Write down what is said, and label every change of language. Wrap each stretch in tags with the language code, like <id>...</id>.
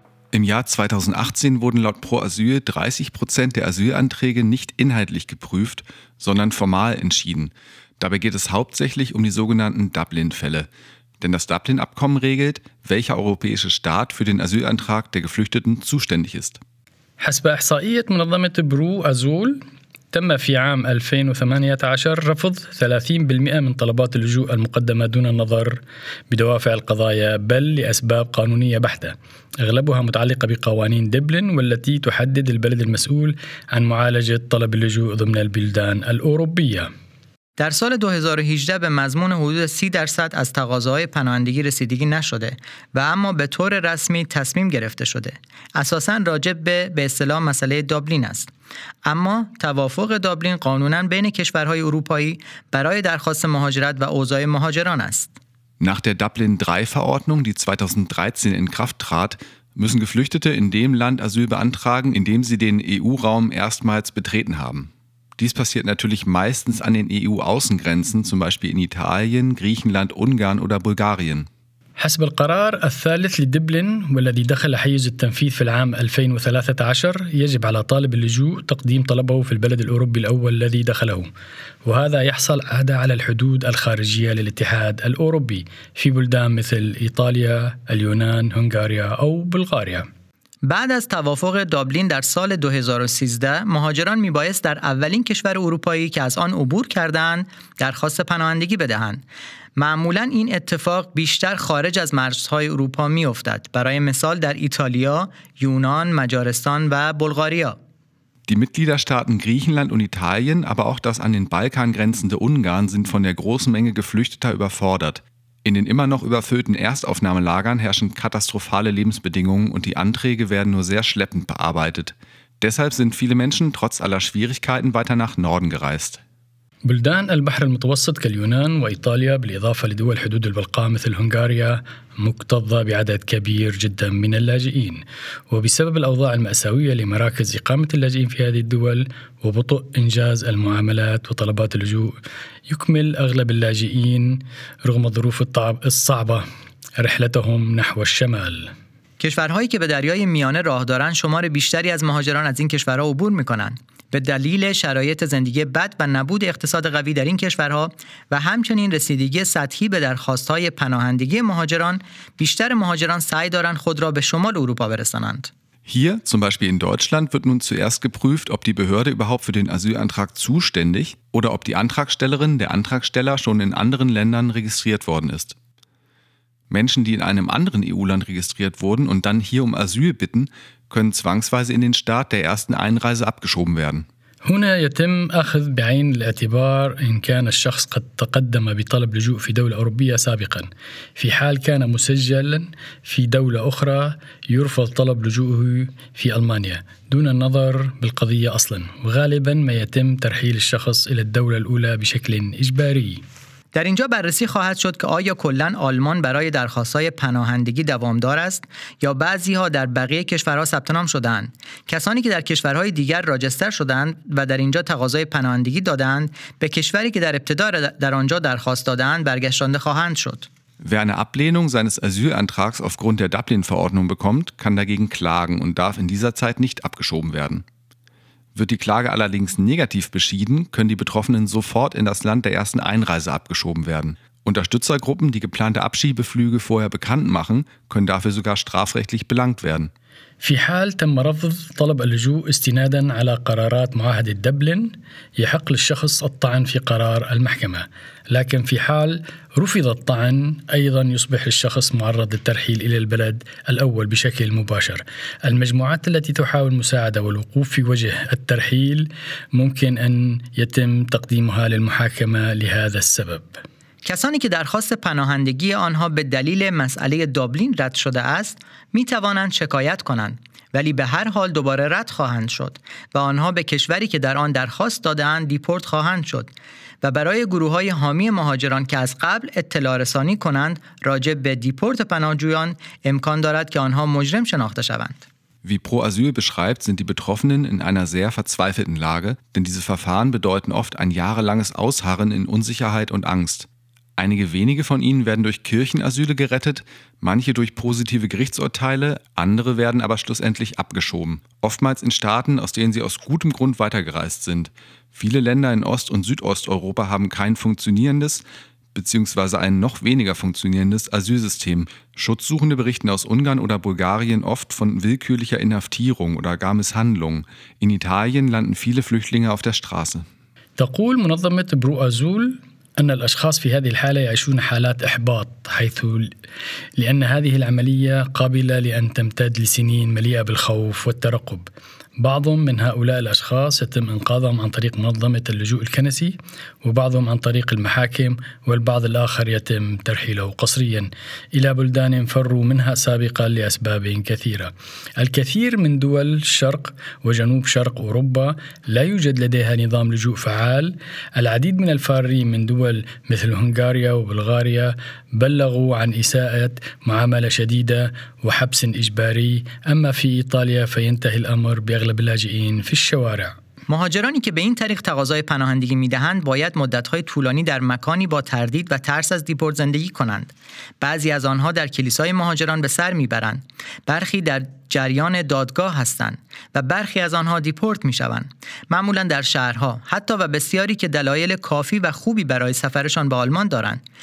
<de>Im Jahr 2018 wurden laut Pro Asyl 30% der Asylanträge nicht inhaltlich geprüft, sondern formal entschieden. Dabei geht es hauptsächlich um die sogenannten Dublin-Fälle. Denn das Dublin-Abkommen regelt, welcher europäische Staat für den Asylantrag der Geflüchteten zuständig ist.</de> <ar>حسب إحصائيات منظمة برو أزول تم في عام 2018 رفض 30% من طلبات اللجوء المقدمة دون النظر بدوافع القضايا بل لأسباب قانونية بحتة أغلبها متعلقة بقوانين دبلن والتي تحدد البلد المسؤول عن معالجة طلب اللجوء ضمن البلدان الأوروبية.</ar> <fa>در سال 2018 به مضمون حدود 30% از تقاضاهای پناهندگی رسیدگی نشده و اما به طور رسمی تصمیم گرفته شده. اساساً راجع به اصطلاح مسئله دابلین است. اما توافق دابلین قانوناً بین کشورهای اروپایی برای درخواست مهاجرت و اوضاع مهاجران است.</fa> <de>Nach der Dublin 3 Verordnung, die 2013 in Kraft trat, müssen Geflüchtete in dem Land Asyl beantragen, in dem sie den EU-Raum erstmals betreten haben. Dies passiert natürlich meistens an den EU-Außengrenzen, zum Beispiel in Italien, Griechenland, Ungarn oder Bulgarien.</de> <ar>حسب القرار الثالث لدبلن والذي دخل حيز التنفيذ في العام 2013 يجب على طالب اللجوء تقديم طلبه في البلد الأوروبي الأول الذي دخله وهذا يحصل عادة على الحدود الخارجية للاتحاد الأوروبي في بلدان مثل إيطاليا، اليونان، هنغاريا أو بلغاريا.</ar> <fa>بعد از توافق دابلین در سال 2013، مهاجران میبایست در اولین کشور اروپایی که از آن عبور کردند، درخواست پناهندگی بدهند. معمولاً این اتفاق بیشتر خارج از مرزهای اروپا میافتد. برای مثال در ایتالیا، یونان، مجارستان و بلغاریا.</fa> <de>Die Mitgliederstaaten Griechenland und Italien, aber auch das an den Balkan grenzende Ungarn sind von der großen Menge Geflüchteter überfordert. In den immer noch überfüllten Erstaufnahmelagern herrschen katastrophale Lebensbedingungen und die Anträge werden nur sehr schleppend bearbeitet. Deshalb sind viele Menschen trotz aller Schwierigkeiten weiter nach Norden gereist.</de> <ar>بلدان البحر المتوسط كاليونان وإيطاليا بالإضافة لدول حدود البلقاء مثل هنغاريا مكتظة بعدد كبير جدا من اللاجئين وبسبب الأوضاع المأساوية لمراكز إقامة اللاجئين في هذه الدول وبطء إنجاز المعاملات وطلبات اللجوء يكمل أغلب اللاجئين رغم الظروف الصعبة رحلتهم نحو الشمال.</ar> <fa>کشورهایی که به دریای میانه راه دارن شمار بیشتری از مهاجران از این کشورها عبور میکنن به دلیل شرایط زندگی بد و نبود اقتصاد قوی در این کشورها و همچنین رسیدگی سطحی به درخواستهای پناهندگی مهاجران بیشتر مهاجران سعی دارن خود را به شمال اروپا برسانند.</fa> <de>Hier, zum Beispiel in Deutschland, wird nun zuerst geprüft, ob die Behörde überhaupt für den Asylantrag zuständig oder ob die Antragstellerin, der Antragsteller schon in anderen Ländern registriert worden ist. Menschen, die in einem anderen EU-Land registriert wurden und dann hier um Asyl bitten, können zwangsweise in den Staat der ersten Einreise abgeschoben werden.</de> <ar>هنا يتم أخذ بعين الاعتبار إن كان الشخص قد تقدم بطلب لجوء في دولة أوروبية سابقا في حال كان مسجلا في دولة أخرى يرفض طلب لجوءه في ألمانيا دون النظر بالقضية أصلا وغالبا ما يتم ترحيل الشخص إلى الدولة الأولى بشكل إجباري</ar> <fa>در اینجا بررسی خواهد شد که آیا کلن آلمان برای درخواستای پناهندگی دوامدار است یا بعضی ها در بقیه کشورها ثبت نام شدند. کسانی که در کشورهای دیگر راجستر شدند و در اینجا تقاضای پناهندگی دادند به کشوری که در ابتدا در آنجا درخواست دادند برگشتانده خواهند شد.</fa> <de>Wer eine Ablehnung seines Asylantrags aufgrund der Dublin-Verordnung bekommt, kann dagegen klagen und darf in dieser Zeit nicht abgeschoben werden. Wird die Klage allerdings negativ beschieden, können die Betroffenen sofort in das Land der ersten Einreise abgeschoben werden. Unterstützergruppen, die geplante Abschiebeflüge vorher bekannt machen, können dafür sogar strafrechtlich belangt werden.</de> <ar>في حال تم رفض طلب اللجوء استنادا على قرارات معاهدة دبلن يحق للشخص الطعن في قرار المحكمة لكن في حال رفض الطعن أيضا يصبح الشخص معرض للترحيل إلى البلد الأول بشكل مباشر المجموعات التي تحاول مساعدة والوقوف في وجه الترحيل ممكن أن يتم تقديمها للمحاكمة لهذا السبب</ar> <fa>کسانی که درخواست پناهندگی آنها به دلیل مسئله دابلین رد شده است، می توانند شکایت کنند، ولی به هر حال دوباره رد خواهند شد و آنها به کشوری که در آن درخواست دادند دیپورت خواهند شد و برای گروه های حامی مهاجران که از قبل اطلاع رسانی کنند راجع به دیپورت پناهجویان امکان دارد که آنها مجرم شناخته شوند.</fa> <de>Wie Pro Asyl beschreibt, sind die Betroffenen in einer sehr verzweifelten Lage, denn diese Verfahren bedeuten oft ein jahrelanges Ausharren in Unsicherheit und Angst. Einige wenige von ihnen werden durch Kirchenasyle gerettet, manche durch positive Gerichtsurteile, andere werden aber schlussendlich abgeschoben. Oftmals in Staaten, aus denen sie aus gutem Grund weitergereist sind. Viele Länder in Ost- und Südosteuropa haben kein funktionierendes bzw. ein noch weniger funktionierendes Asylsystem. Schutzsuchende berichten aus Ungarn oder Bulgarien oft von willkürlicher Inhaftierung oder gar Misshandlung. In Italien landen viele Flüchtlinge auf der Straße.</de> <ar>تقول منظمة برو أزول أن الأشخاص في هذه الحالة يعيشون حالات إحباط حيث لأن هذه العملية قابلة لأن تمتد لسنين مليئة بالخوف والترقب بعضهم من هؤلاء الأشخاص يتم إنقاذهم عن طريق منظمة اللجوء الكنسي وبعضهم عن طريق المحاكم والبعض الآخر يتم ترحيله قسريا إلى بلدان فروا منها سابقا لأسباب كثيرة الكثير من دول الشرق وجنوب شرق أوروبا لا يوجد لديها نظام لجوء فعال العديد من الفارين من دول مثل هنغاريا وبلغاريا بلغوا عن إساءة معاملة شديدة وحبس إجباري أما في إيطاليا فينتهي الأمر بأغلب اللاجئين في الشوارع</ar> <fa>مهاجرانی که به این طریق تقاضای پناهندگی می‌دهند باید مدت‌های طولانی در مکانی با تردید و ترس از دیپورت زندگی کنند. بعضی از آنها در کلیسای مهاجران به سر می‌برند. برخی در جریان دادگاه هستند و برخی از آنها دیپورت می‌شوند. معمولاً در شهرها، حتی و بسیاری که دلایل کافی و خوبی برای سفرشان به آلمان دارند.</fa>